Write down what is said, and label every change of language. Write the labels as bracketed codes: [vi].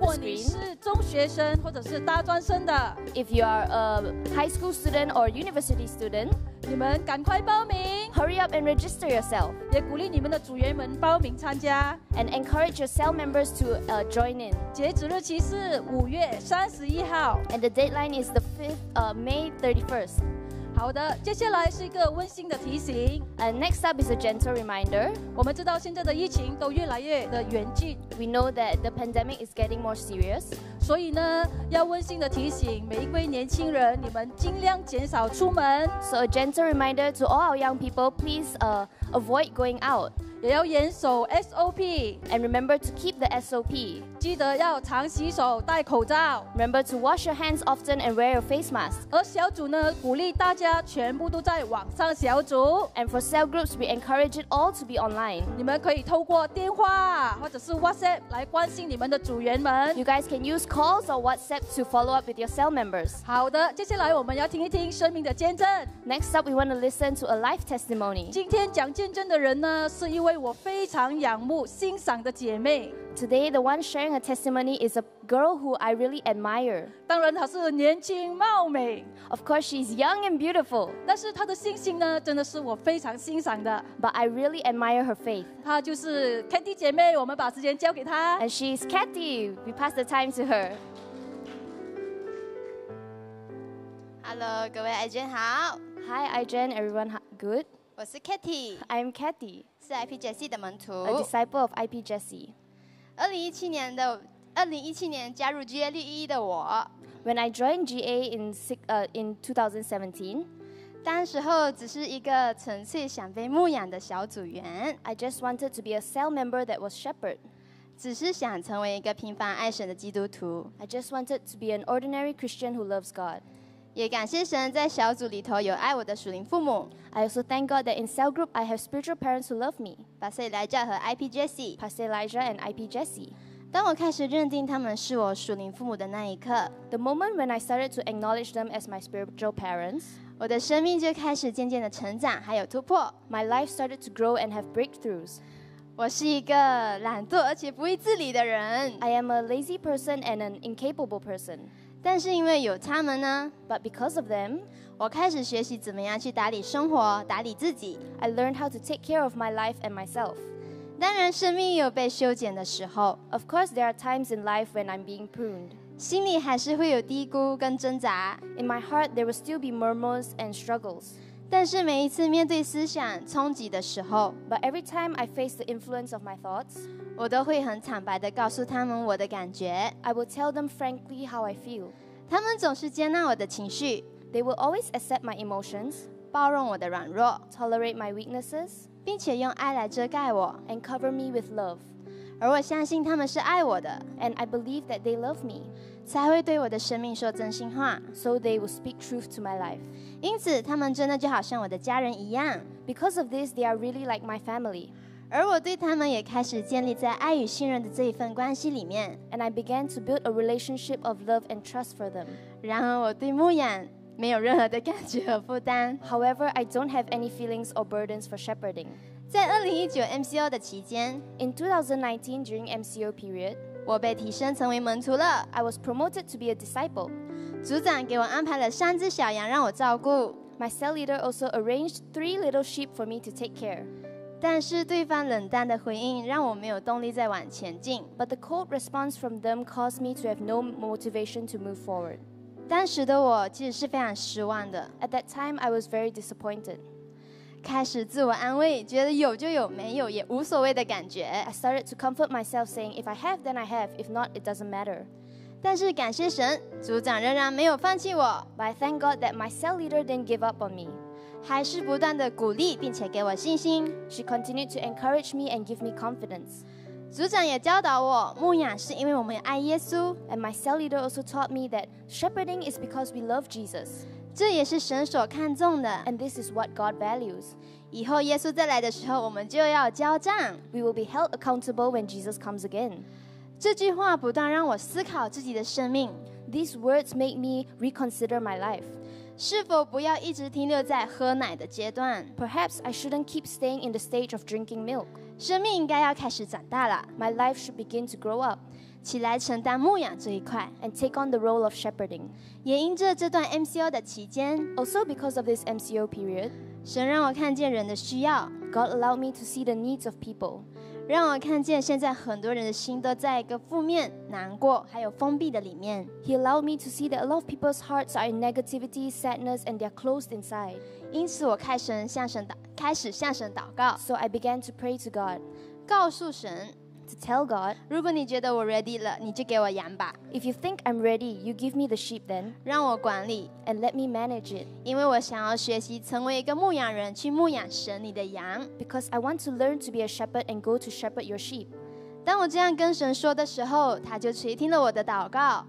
[zh] 如果你是中学生或者是大专生的 [en] if you are a high school student or university student [zh] 你们赶快报名 [en] hurry up and register yourself [zh] 也鼓励你们的组员们报名参加 [en] and encourage your cell members to join in [zh] 截止日期是5月31号 [en] and the deadline is the 5th, May 31st [zh] 好的接下来是一个温馨的提醒 [en] And next up is a gentle reminder [zh] 我们知道现在的疫情都越来越的严峻 [en] We know that the pandemic is getting more serious [zh] 所以呢要温馨的提醒每一位年轻人你们尽量减少出门 [en] So a gentle reminder to all our young people please avoid going out [zh] 也要严守 SOP [en] And remember to keep the SOP [zh] 记得要常洗手戴口罩 [en] Remember to wash your hands often and wear your face mask [zh] 而小组呢鼓励大家全部都在网上小组 [en] And for cell groups we encourage it all to be online [zh] 你们可以透过电话或者是 WhatsApp 来关心你们的组员们 [en] You guys can use calls or WhatsApp to follow up with your cell members [zh] 好的接下来我们要听一听生命的见证 [en] Next up we want to listen to a life testimony [zh] 今天讲见证的人呢，是一位我非常仰慕、欣赏的姐妹。 [en] Today, the one sharing a testimony is a girl who I really admire. [zh] 当然，她是年轻貌美。 [en] Of course, she's young and beautiful. [zh] 但是她的信心呢，真的是我非常欣赏的。 [en] But I really admire her faith. [zh] 她就是 Cathy 姐妹，我们把时间交给她。 [en] And she's Cathy. We pass the time to her. [zh] Hello, 各位 IJ 好。 [en] Hi, IJ, everyone good? [zh] 我是 Cathy. [en] I'm Cathy. [zh] 是 IP Jesse 的门徒。 [en] A disciple of IP Jesse. [zh] 2017年加入 GLE 的我。 [en] When I joined GA in 2017, I just wanted to be a cell member that was shepherd. [zh] 只是想成为一个平凡爱神的基督徒。 [en] I just wanted to be an ordinary Christian who loves God. [zh] 也感谢神在小组里头有爱我的属灵父母。 [en] I also thank God that in cell group I have spiritual parents who love me. [zh] Pastor Elijah 和 IP Jesse. [en] Pastor Elijah and IP Jesse. [zh] 当我开始认定他们是我属灵父母的那一刻 [en] The moment when I started to acknowledge them as my spiritual parents [zh] 我的生命就开始渐渐的成长还有突破 [en] My life started to grow and have breakthroughs [zh] 我是一个懒惰而且不会自理的人 [en] I am a lazy person and an incapable person [zh] 但是因为有他们呢 [en] But because of them [zh] 我开始学习怎么样去打理生活打理自己 [en] I learned how to take care of my life and myself [zh] 当然生命有被修剪的时候 [en] Of course there are times in life when I'm being pruned [zh] 心里还是会有低估跟挣扎 [en] In my heart there will still be murmurs and struggles [zh] 但是每一次面对思想冲击的时候 [en] But every time I face the influence of my thoughts [zh] 我都会很坦白地告诉他们我的感觉 [en] I will tell them frankly how I feel [zh] 他们总是接纳我的情绪 [en] They will always accept my emotions [zh] 包容我的软弱 [en] Tolerate my weaknesses [zh] 并且用爱来遮盖我 [en] and cover me with love [zh] 而我相信他们是爱我的 [en] and I believe that they love me [zh] 才会对我的生命说真心话 [en] so they will speak truth to my life [zh] 因此他们真的就好像我的家人一样 [en] because of this they are really like my family [zh] 而我对他们也开始建立在爱与信任的这一份关系里面 [en] and I began to build a relationship of love and trust for them [zh] 然而我对牧养没有任何的感觉和负担 [en] However, I don't have any feelings or burdens for shepherding [zh] 在2019 MCO 的期间 [en] In 2019, during MCO period [zh] 我被提升成为门徒了 [en] I was promoted to be a disciple [zh] 组长给我安排了三只小羊让我照顾 [en] My cell leader also arranged three little sheep for me to take care [zh] 但是对方冷淡的回应让我没有动力再往前进 [en] But the cold response from them caused me to have no motivation to move forward [zh] 当时的我其实是非常失望的 [en] At that time, I was very disappointed [zh] 开始自我安慰觉得有就有没有也无所谓的感觉 [en] I started to comfort myself saying If I have, then I have If not, it doesn't matter [zh] 但是感谢神组长仍然没有放弃我 [en] But I thank God that my cell leader didn't give up on me [zh] 还是不断的鼓励并且给我信心 [en] She continued to encourage me and give me confidence [zh] 组长也教导我牧养是因为我们爱耶稣 [en] And my cell leader also taught me that shepherding is because we love Jesus [zh] 这也是神所看重的 [en] And this is what God values [zh] 以后耶稣再来的时候我们就要交账 [en] We will be held accountable when Jesus comes again [zh] 这句话不断让我思考自己的生命 [en] These words make me reconsider my life [zh] 是否不要一直停留在喝奶的阶段 [en] Perhaps I shouldn't keep staying in the stage of drinking milk [zh] 生命应该要开始长大了 [en] My life should begin to grow up [zh] 起来承担牧养这一块 [en] And take on the role of shepherding [zh] 也因着这段 MCO 的期间 [en] Also because of this MCO period [zh] 神让我看见人的需要 [en] God allowed me to see the needs of people [zh] 让我看见现在很多人的心都在一个负面难过还有封闭的里面 [en] He allowed me to see that a lot of people's hearts are in negativity, sadness and they're closed inside [zh] 因此我开始向神祷开始向神祷告 [en] So I began to pray to God [zh] 告诉神 [en] To tell God [zh] 如果你觉得我 ready 了你就给我羊吧 [en] If you think I'm ready You give me the sheep then [zh] 让我管理 [en] And let me manage it [zh] 因为我想要学习成为一个牧羊人去牧养神你的羊 [en] Because I want to learn to be a shepherd And go to shepherd your sheep [zh] 当我这样跟神说的时候他就垂听了我的祷告